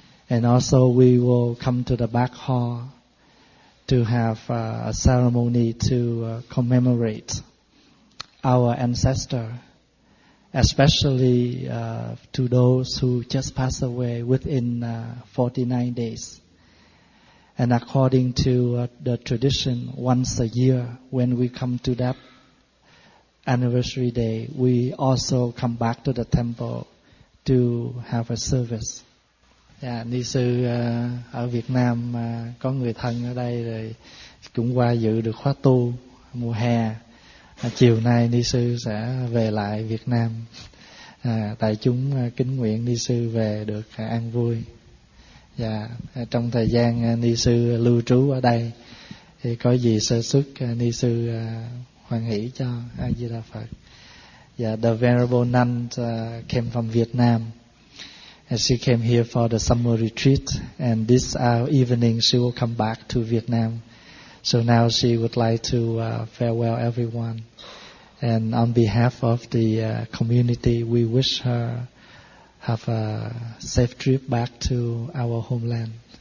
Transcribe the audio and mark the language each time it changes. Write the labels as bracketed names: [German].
[English] And also we will come to the back hall to have a ceremony to commemorate our ancestor, especially to those who just passed away within 49 days. And according to the tradition, once a year when we come to that anniversary day, we also come back to the temple to have a service. [Vietnamese] Dạ, ni sư ở Việt Nam có người thân ở đây rồi cũng qua dự được khóa tu mùa hè. Chiều nay ni sư sẽ về lại Việt Nam. Tại chúng kính nguyện ni sư về được an vui. Dạ, trong thời gian ni sư lưu trú ở đây thì có gì sơ xuất ni sư hoan hỷ cho A Di Đà Phật. [English] Dạ, the venerable nun came from Vietnam. And she came here for the summer retreat, and this evening she will come back to Vietnam. So now she would like to farewell everyone. And on behalf of the community, we wish her have a safe trip back to our homeland.